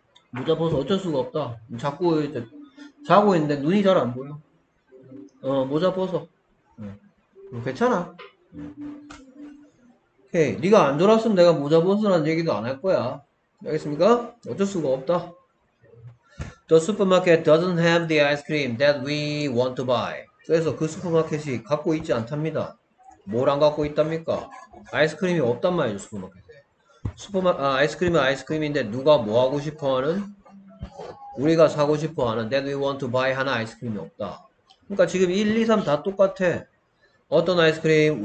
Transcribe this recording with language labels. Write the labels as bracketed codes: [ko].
[ko] 모자 벗어. 어쩔 수가 없다. 자꾸 이제 자고 있는데 눈이 잘안 보여. 모자 벗어. 괜찮아. 오케이. 네가 안 돌았으면 내가 모자 벗으라는 얘기도 안할 거야. 알겠습니까? 어쩔 수가 없다. [en] The supermarket doesn't have the ice cream that we want to buy. [ko] 그래서 그 슈퍼마켓이 갖고 있지 않답니다. 뭘안 갖고 있답니까? 아이스크림이 없단 말이죠, 슈퍼마켓. 아이스크림은 아이스크림인데 누가 뭐 하고 싶어 하는? 우리가 사고 싶어 하는 [en] that we want to buy [ko] 하는 아이스크림이 없다. 그러니까 지금 1, 2, 3다 똑같아. 어떤 아이스크림?